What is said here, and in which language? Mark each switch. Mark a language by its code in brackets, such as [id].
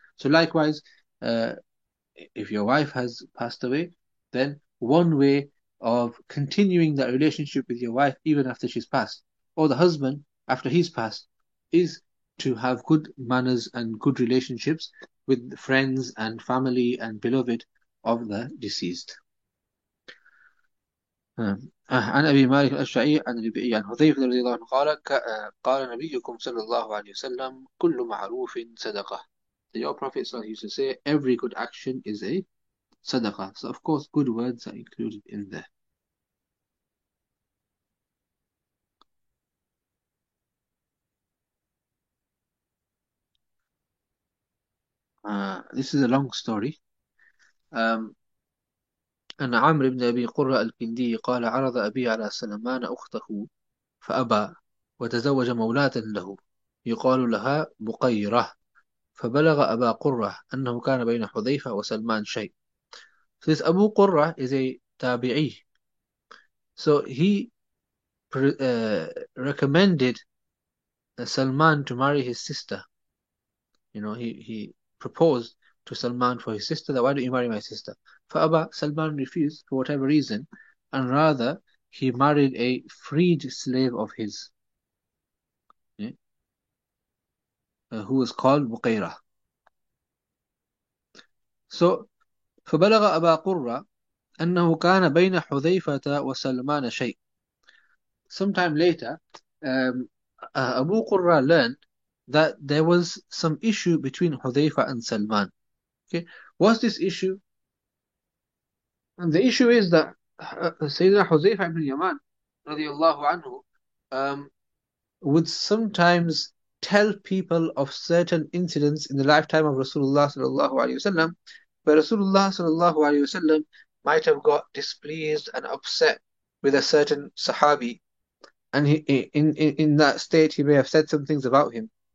[en] So likewise, if your wife has passed away, then one way of continuing that relationship with your wife even after she's passed, or the husband after he's passed, is to have good manners and good relationships with friends and family and beloved of the deceased. [ar] عن أبي مالك الأشعري عن ربيعي عن حذيفة رضي الله عنه قال قال نبيكم صلى الله عليه وسلم كل معروف صدقة. [en] Your Prophet صلى الله عليه وسلم used to say every good action is a صدقة. So of course good words are included in there. This is a long story. [ar] أن عمرو بن أبي قرة الكندي قال عرض أبي على سلمان أخته فأبى وتزوج مولاة له يقال لها بقيرة. فبلغ أبا قرة أنه كان بين حذيفة وسلمان شيء. [en] So this Abu Qurra is a tabi'i. So he recommended Salman to marry his sister. He proposed to Salman for his sister, that why don't you marry my sister? Fa'aba, Salman refused for whatever reason, and rather he married a freed slave of his, who was called Buqayrah. [ar] So, فبلغ أبا قرة أنه كان بين حذيفة وسلمان شيء. [en] Sometime later, Abu Qurra learned that there was some issue between Hudhayfa and Salman. Okay, what's this issue? And the issue is that Sayyidina Hudhayfa ibn Yaman, radiallahu anhu, would sometimes tell people of certain incidents in the lifetime of Rasulullah sallallahu alaihi wasallam, where Rasulullah sallallahu alaihi wasallam might have got displeased and upset with a certain Sahabi, and he, in that state, he may have said some things about him.